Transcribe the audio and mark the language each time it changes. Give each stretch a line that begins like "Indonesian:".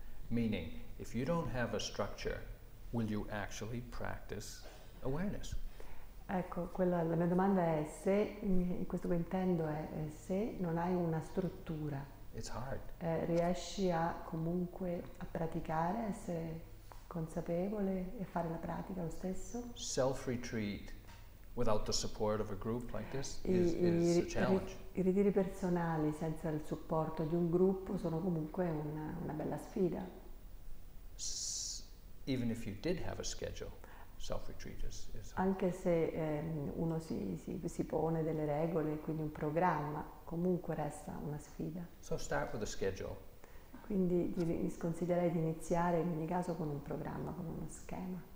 English: Meaning, if you don't have a structure, will you actually practice awareness?
Italian: Ecco, quella, la mia domanda è se, in questo che intendo è se non hai una struttura.
English: It's hard.
Italian: Riesci a comunque a praticare, a essere consapevole e fare la pratica lo stesso?
English: Self-retreat. Without the support of a group like this is a challenge.
Italian: I ritiri personali senza il supporto di un gruppo sono comunque una bella sfida.
English: Even if you did have a schedule, self-retreat is
Italian: anche se uno si pone delle regole quindi un programma comunque resta una sfida.
English: So start with a schedule.
Italian: Quindi sconsiglierei di iniziare in ogni caso con un programma con uno schema.